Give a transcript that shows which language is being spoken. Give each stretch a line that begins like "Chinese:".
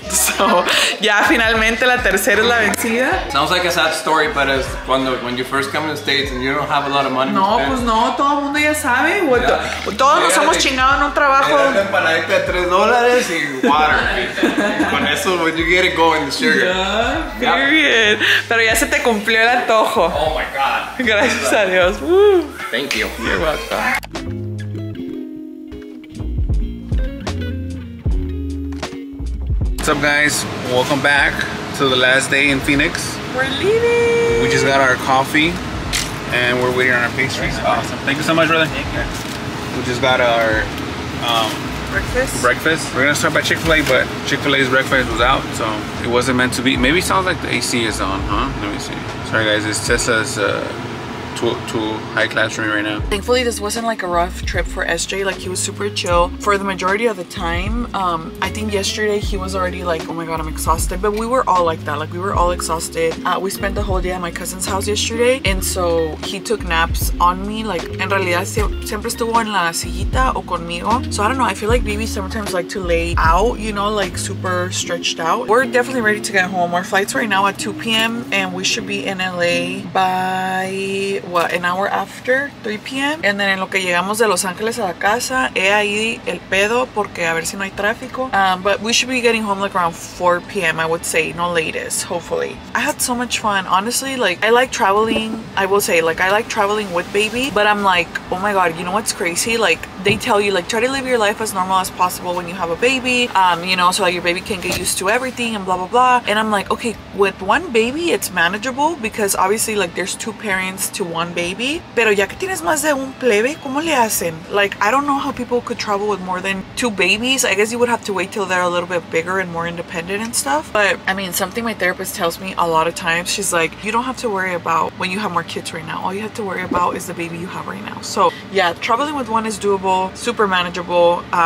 Spanish: So, ya finalmente la tercera es la vencida.
English: Sounds like a sad story, but it's when you first come to the States and you don't have a lot of money.
Spanish: No, pues no, todo el mundo ya sabe. Todos nos hemos chingado en un trabajo. Una empanadita de $3 y water. Con eso,
English: when you get it going, the sugar. Yeah, period.
Spanish: Pero ya se te cumplió el antojo.
English: Oh my God.
Spanish: Gracias a Dios.
English: Thank you. You're welcome. What's up, guys? Welcome back to the last day in Phoenix. We're leaving. We just got our coffee and we're waiting on our pastries. Awesome. Thank you so much, brother. Thank you. We just got our breakfast. We're gonna start by Chick-fil-A, but Chick-fil-A's breakfast was out, so it wasn't meant to be. Maybe it sounds like the AC is on, huh? Let me see. Sorry, guys, it's Tessa's too high class for me right now. Thankfully, this wasn't like a rough trip for SJ. Like, he was super chill for the majority of the time. I think yesterday he was already like, oh my God, I'm exhausted. But we were all like that. Like, we were all exhausted. We spent the whole day at my cousin's house yesterday. And so he took naps on me.
Spanish: Like, en realidad, siempre estuvo en la sillita o conmigo.
English: So I don't know. I feel like babies sometimes like to lay out, you know, like super stretched out. We're definitely ready to get home. Our flight's right now at 2 p.m. and we should be in LA by, what, an hour after 3 p.m. And then
Spanish: en lo que llegamos de Los Ángeles a la casa, he ahí el pedo porque a ver si no hay tráfico.
English: But we should be getting home like around 4 p.m. I would say, no latest, hopefully. I had so much fun. Honestly, like, I like traveling. I will say, like, I like traveling with baby, but I'm like, oh my God, you know what's crazy? Like, they tell you, like, try to live your life as normal as possible when you have a baby, you know, so that your baby can get used to everything and blah, blah, blah. And I'm like, okay, with one baby, it's manageable because obviously, like, there's two parents to one baby.
Spanish: Pero ya que tienes más de un plebe, ¿cómo le hacen?
English: Like, I don't know how people could travel with more than two babies. I guess you would have to wait till they're a little bit bigger and more independent and stuff. But I mean, something my therapist tells me a lot of times, she's like, you don't have to worry about when you have more kids right now. All you have to worry about is the baby you have right now. So yeah, traveling with one is doable, super manageable.